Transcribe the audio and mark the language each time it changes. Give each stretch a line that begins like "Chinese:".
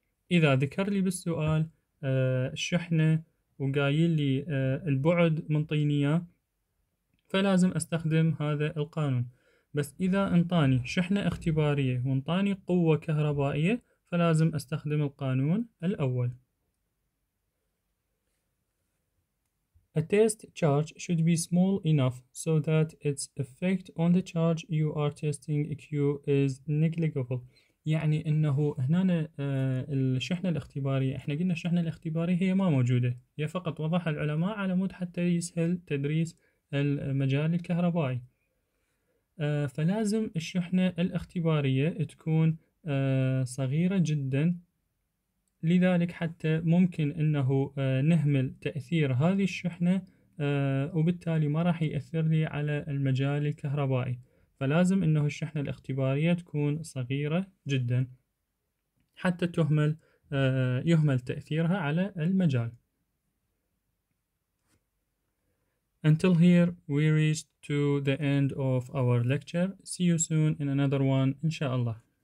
Arabic: إذا ذكر لي بالسؤال الشحنة وقايل لي البعد منطيني إياه، فلازم أستخدم هذا القانون. بس إذا انطاني شحنة اختبارية وانطاني قوة كهربائية، فلازم أستخدم القانون الأول.
English: A test charge should be small enough so that its effect on the charge you are testing Q is negligible.
Arabic: يعني أنه هنا الشحنة الاختبارية، إحنا قلنا الشحنة الاختبارية هي ما موجودة، هي فقط وضعها العلماء على مود حتى يسهل تدريس المجال الكهربائي. فلازم الشحنة الاختبارية تكون صغيرة جدا، لذلك حتى ممكن انه نهمل تأثير هذه الشحنة وبالتالي ما راح يأثر لي على المجال الكهربائي. فلازم انه الشحنة الاختبارية تكون صغيرة جدا حتى يهمل تأثيرها على المجال.
English: Until here we reached to the end of our lecture. See you soon in another one, إن شاء الله.